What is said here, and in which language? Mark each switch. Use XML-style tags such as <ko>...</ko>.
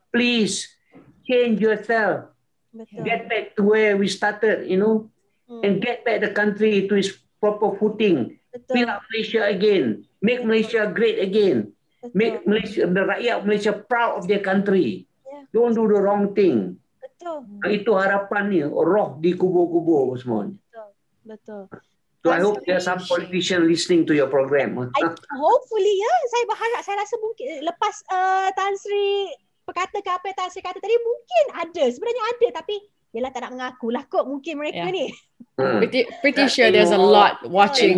<en>Please, change yourself.</en> <ms>Betul.</ms> <en>Get back to where we started, you know. And get back the country to its proper footing. Build up Malaysia again. Make Malaysia great again.</en> <ms>Betul.</ms> <en>Make Malaysia, the rakyat Malaysia proud of their country. Yeah. Don't do the wrong thing.</en> <ms>Itu harapannya, roh di kubur-kubur semuanya. Betul.</ms> <en>So I hope there's some politician listening to your program.</en> <ms>Hopefully, ya. Saya berharap, saya rasa mungkin lepas Tan Sri perkatakan apa yang Tan Sri kata tadi, mungkin ada. Sebenarnya ada, tapi yelah, tak nak mengakulah kot mungkin mereka ni.</ms> <en>Pretty sure there's a lot watching.</en>